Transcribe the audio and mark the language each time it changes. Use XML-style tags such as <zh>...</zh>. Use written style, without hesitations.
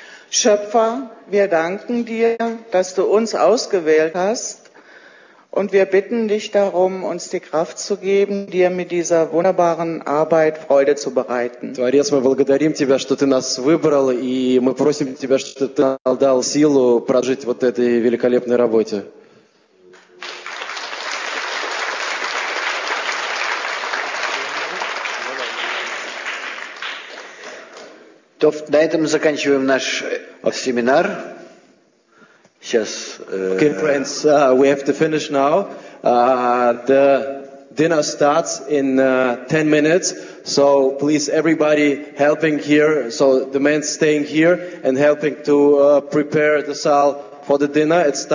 <de>Schöpfer, wir danken dir, dass du uns ausgewählt hast und wir bitten dich darum, uns die Kraft zu geben, dir mit dieser wunderbaren Arbeit Freude zu bereiten.</de> <ru>Творец, мы благодарим тебя, что ты нас выбрал, и мы просим тебя, чтобы ты дал силу прожить вот этой великолепной работе. То на этом заканчиваем наш семинар. Сейчас.</ru> <en>Okay, friends, we have to finish now. The dinner starts in 10 minutes, so please everybody helping here, so the men staying here and helping to prepare the sal for the dinner. It starts.</en>